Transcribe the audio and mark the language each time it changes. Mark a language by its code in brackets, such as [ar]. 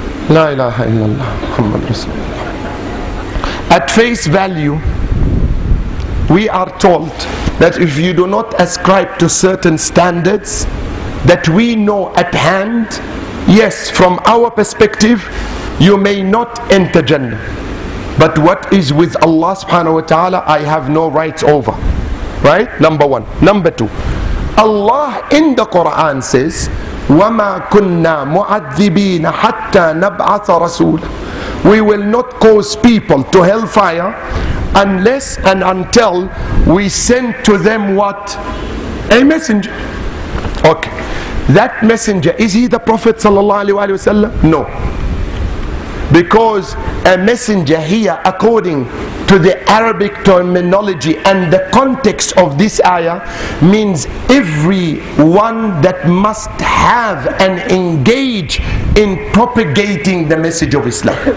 [en] La ilaha illallah, Muhammad Rasulullah. At face value, we are told that if you do not ascribe to certain standards that we know at hand, yes, from our perspective, you may not enter Jannah. But what is with Allah subhanahu wa ta'ala, I have no rights over. Right? Number one. Number two. Allah in the Quran says, [ar] وَمَا كُنَّا مُعَذِّبِينَ حَتَّى نَبْعَثَ رَسُولًا. [en] We will not cause people to hellfire unless and until we send to them what? A messenger. Okay. That messenger, is he the Prophet sallallahu alaihi wasallam? No. Because a messenger here, according to the Arabic terminology and the context of this ayah, means everyone that must have and engage in propagating the message of Islam.